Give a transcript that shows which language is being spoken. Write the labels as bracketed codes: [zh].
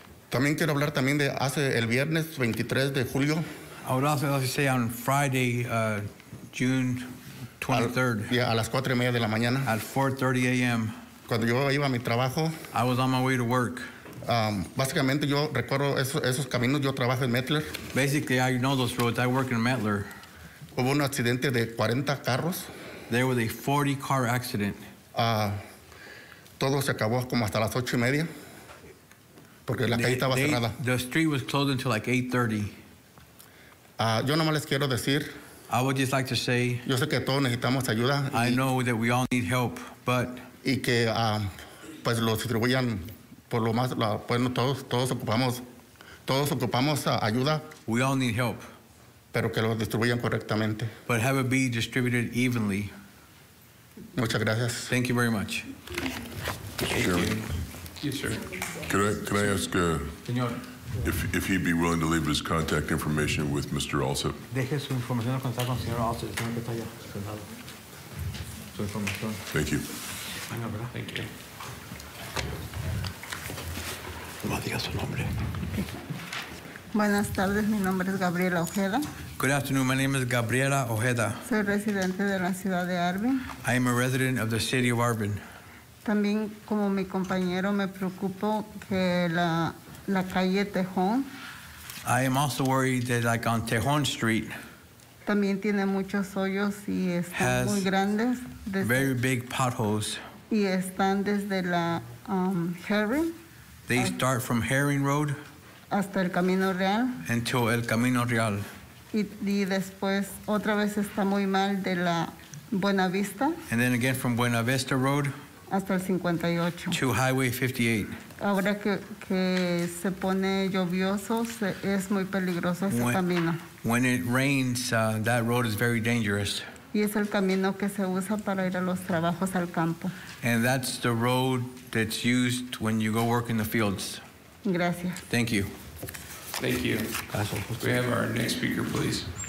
[es] También quiero hablar también de hace el viernes 23 de julio. [en] I would also like to say on Friday, June 23rd. [es] A las 4:30 de la mañana. [en] At 4:30 a.m. [es] Cuando yo iba a mi trabajo. [en] I was on my way to work. [es] Básicamente yo recuerdo esos caminos. Yo trabajo en Mettler. [en] Basically, I know those roads. I work in Mettler. [es] Hubo un accidente de 40 carros. [en] There was a 40-car accident. [es] Todo se acabó como hasta las 8:30, porque la calle estaba cerrada. [en] The street was closed until like 8:30. [es] Yo nomás les quiero decir. [en] I would just like to say, [es] yo sé que todos necesitamos ayuda, [en] I know that we all need help, but [es] y que pues lo distribuyan por lo más bueno, todos ocupamos ayuda. [en] We all need help, [es] pero que lo distribuyan correctamente. [en] But have it be distributed evenly. [es] Muchas gracias. [en] Thank you very much. Chairman. Yes, sir. Can I ask [es] Señor. [en] If he'd be willing to leave his contact information with Mr. Alsop? [es] Deje su información de contacto con señor Alsop. Está en detalle. Su información. [en] Thank you. [es] Venga, [en] ¿verdad? Thank you. [es] No diga su nombre. Buenas tardes, mi nombre es Gabriela Ojeda. [en] Good afternoon, my name is Gabriela Ojeda. [es] Soy residente de la ciudad de Arvin. [en] I am a resident of the city of Arvin. [es] También como mi compañero me preocupo que la calle Tejón. [en] I am also worried that like on Tejón Street. [es] También tiene muchos hoyos y están muy grandes. [en] Very big potholes. [es] Y están desde la Herring. [en] They start from Herring Road. [es] Hasta el Camino Real. [en] Until el Camino Real. [es] Y después otra vez está muy mal de la Buena Vista. [en] And then again from Buena Vista Road. [es] Hasta el 58. [en] To Highway 58. [es] Ahora que se pone lluvioso, es muy peligroso ese camino. [en] When it rains, that road is very dangerous. [es] Y es el camino que se usa para ir a los trabajos al campo. [en] And that's the road that's used when you go work in the fields. [es] Gracias. [en] Thank you. Thank you. We have our next speaker, please.